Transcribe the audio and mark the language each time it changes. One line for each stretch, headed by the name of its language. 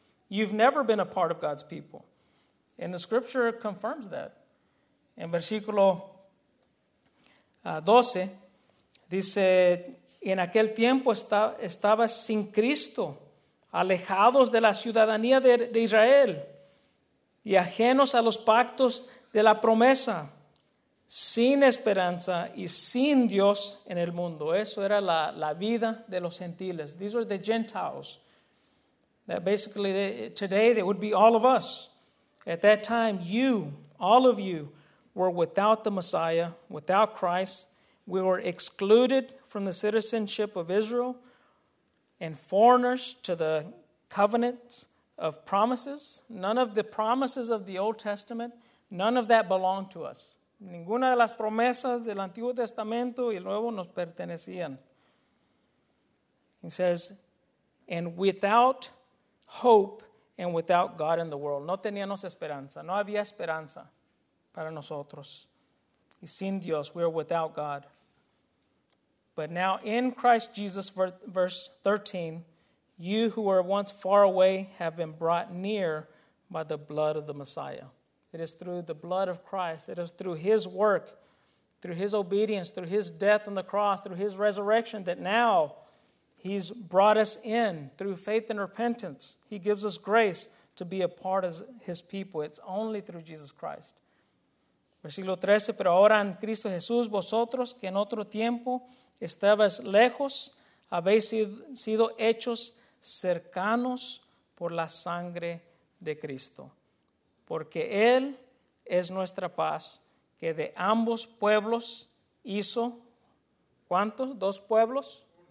English: You've never been a part of God's people. And the scripture confirms that.
Spanish: En versículo 12, dice, en aquel tiempo estaba sin Cristo, alejados de la ciudadanía de Israel, y ajenos a los pactos de la promesa, sin esperanza y sin Dios en el mundo. Eso era la vida de los gentiles.
English: These were the Gentiles. That basically, today they would be all of us. At that time, you, all of you, were without the Messiah, without Christ. We were excluded from the citizenship of Israel and foreigners to the covenants of promises. None of the promises of the Old Testament, none of that belonged to us.
Spanish: Ninguna de las promesas del Antiguo Testamento y el Nuevo nos pertenecían.
English: He says, and without hope and without God in the world.
Spanish: No teníamos esperanza. No había esperanza para nosotros. Y sin Dios,
English: we are without God. But now in Christ Jesus, verse 13, you who were once far away have been brought near by the blood of the Messiah. It is through the blood of Christ. It is through his work, through his obedience, through his death on the cross, through his resurrection, that now he's brought us in through faith and repentance. He gives us grace to be a part of his people. It's only through Jesus Christ.
Spanish: Versículo 13, pero ahora en Cristo Jesús, vosotros que en otro tiempo estabas lejos, habéis sido hechos cercanos por la sangre de Cristo. Porque Él es nuestra paz, que de ambos pueblos hizo, ¿cuántos? ¿Dos pueblos?